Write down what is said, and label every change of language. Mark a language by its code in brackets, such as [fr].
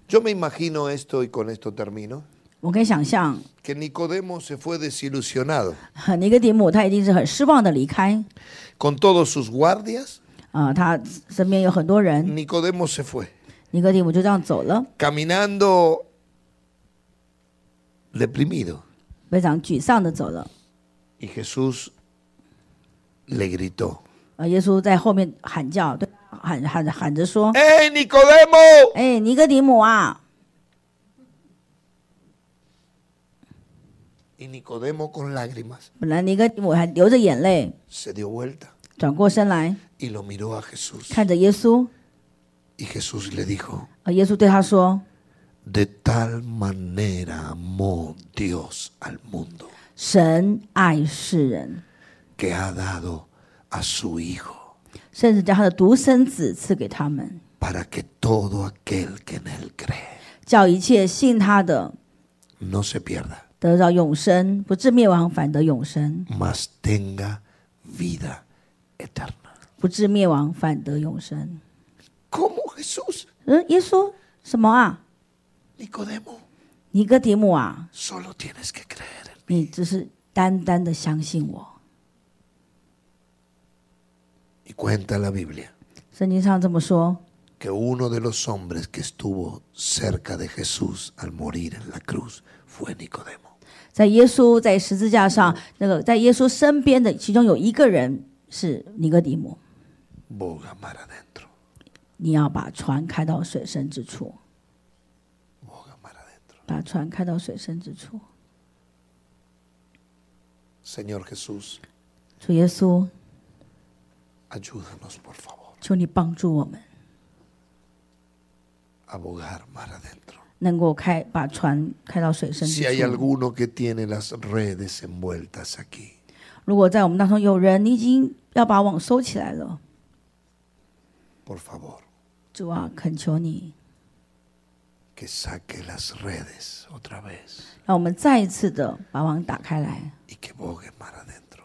[es] Yo me imagino esto y con esto termino [zh] 我可以想象 [es] Que Nicodemo se fue desilusionado [zh] 尼哥底母他一定是很失望的离开 [es] Con todos sus guardias [zh] 他身边有很多人 [es] Nicodemo se fue [zh] 尼哥底母就这样走了 [es] Caminando Deprimido [zh] 非常沮丧的走了 [es] Y Jesús Le gritó [zh] 耶稣在后面喊叫对喊着说：“ 哎，尼哥底母！哎，尼哥底母啊！” [es] y Nicodemo con lágrimas, [zh] 本来尼哥底母还流着眼泪 [es] se dio vuelta, [zh] 转过身来 [es] y lo miró a Jesús, [zh] 看着耶稣 [es] y Jesús le dijo, [zh] 耶稣对他说 [es] de tal manera amó Dios al mundo, [zh] 神爱世人 [es] que ha dado a su Hijo, [zh] 甚至将他的独生子赐给他们 [es] para que todo aquel que en él cree, [zh] 叫一切信他的 [es] no se pierda, [zh] 得到永生不至灭亡反得永生 [es] mas tenga vida eterna, [zh] 不至灭亡反得永生 [es] como Jesús, [zh] 耶稣什么啊 [es] Nicodemo, [zh] 尼哥底母啊 [es] solo tienes que creer en [zh] mí, 你只是单单的相信我 [es] Y cuenta la Biblia, [zh] 圣经上这么说 [es] que uno de los hombres que estuvo cerca de Jesús al morir en la cruz fue Nicodemo. [zh] 在耶稣在十字架上，那个在耶稣身边的其中有一个人是尼哥底母。 [es] Boga mar adentro. [zh] 你要把船开到水深之处。 [es] Boga mar adentro. [zh] 把船开到水深之处。 [es] Señor Jesús, [zh] 主耶稣， [es] ayúdanos, por favor. [zh] 求你帮助我们。 [es] A bogar mar adentro. [zh] 能够开把船开到水深之处。 [es] Si hay alguno que tiene las redes envueltas aquí. [zh] 如果在我们当中有人，你已经要把网收起来了。 [es] Por favor. [zh] 主啊，恳求你。 [es] Que saque las redes otra vez. [zh] 让我们再一次的把网打开来。 [es] Y que bogue mar adentro.